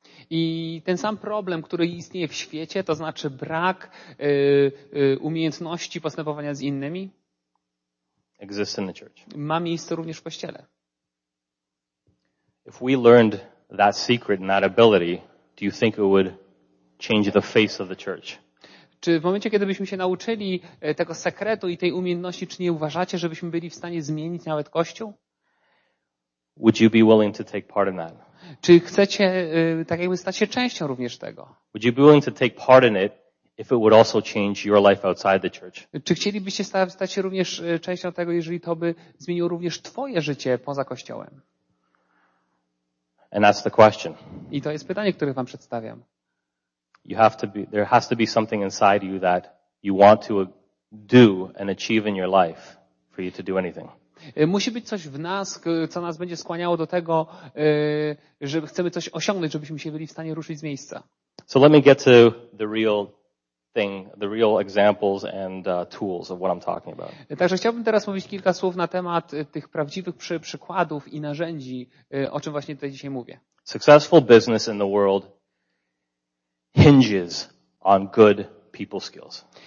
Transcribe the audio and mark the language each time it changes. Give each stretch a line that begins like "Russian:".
Polish: I ten sam problem, który istnieje w świecie, to znaczy brak umiejętności postępowania z innymi,
English: exists in the church.
Polish: Ma miejsce również w kościele.
English: If we learned that secret and that ability, do you think it would change the face of the church?
Polish: Czy w momencie, kiedy byśmy się nauczyli tego sekretu i tej umiejętności, czy nie uważacie, żebyśmy byli w stanie zmienić nawet Kościół?
English: Would you be willing to take part in that?
Polish: Czy chcecie tak jakby stać się częścią również tego?
English: Would you be willing to take part in it if it would also change your life outside the church?
Polish: Czy chcielibyście stać się również częścią tego, jeżeli to by zmieniło również twoje życie poza Kościołem?
English: And that's the question.
Polish: I to jest pytanie, które wam przedstawiam.
English: You have to be, there has to be something inside you that you want to do and achieve in your life for you to do anything.
Polish: Musi być coś w nas, co nas będzie skłaniało do tego, że chcemy coś osiągnąć, żebyśmy się byli w stanie ruszyć z miejsca.
English: So let me get to the real thing, the real examples and tools of what I'm talking about.
Polish: Także chciałbym teraz mówić kilka słów na temat tych prawdziwych przykładów i narzędzi, o czym właśnie tutaj dzisiaj mówię.
English: Successful business in the world hinges on good people skills.